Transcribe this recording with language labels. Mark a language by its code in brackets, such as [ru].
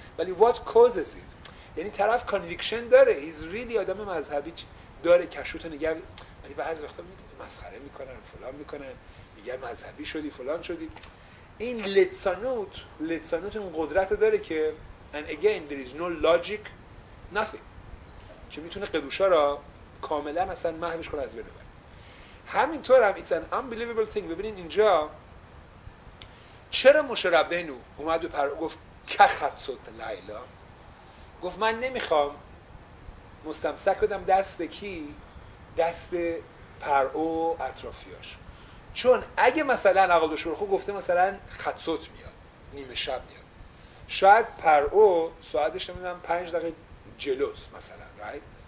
[fa] ولی [en] what causes it؟ [fa] یعنی طرف conviction داره، [en] he's really [fa] آدم مذهبی داره، کشوت نگه، ولی بعضی وقتا مسخره میکنن، فلان میکنن، میگن مذهبی شدی، فلان شدی. این لتسانوت، لتسانوت اون قدرت داره که [en] and again there is no logic nothing [fa] که میتونه قدوشا را کاملا اصلا محوش کنه از بین ببره. همینطور هم [en] it's an unbelievable thing. [fa] ببینین اینجا چرا موشه ربینو اومد و گفت کخت صوت لیلا، گفت من نمیخوام مستمسک بدم دست کی؟ دست پرعو اطرافیاش، چون اگه مثلا عقل دشمن خوب گفته مثلا خطسوت میاد، نیمه شب میاد، شاید پرعو ساعتش نمیدونم 5 دقیقه جلوس مثلا، رایت